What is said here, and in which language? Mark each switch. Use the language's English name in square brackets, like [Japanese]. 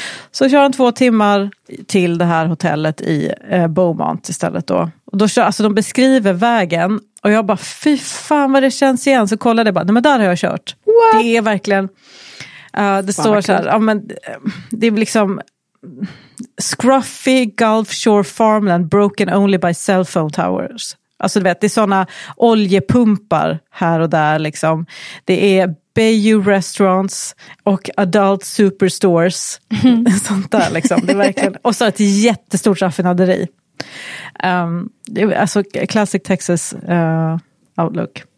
[Swedish] Så kör han 2 timmar till det här hotellet i Beaumont istället då. Och då kör, alltså de beskriver vägen och jag bara, fy fan vad det känns igen. Så kollade jag bara, nej men där har jag kört. [English] What? [Swedish] Det är verkligen, det fan, står så här, ja men det är liksom... [English] Scruffy Gulf Shore farmland broken only by cell phone towers. [Swedish] Alltså du vet, det är såna oljepumpar här och där liksom. Det är [English] Bayou restaurants [Swedish] och [English] adult superstores. [Swedish] Mm. Sånt där liksom. Det är verkligen. Och så ett jättestort raffinaderi. Alltså [English] classic Texas outlook.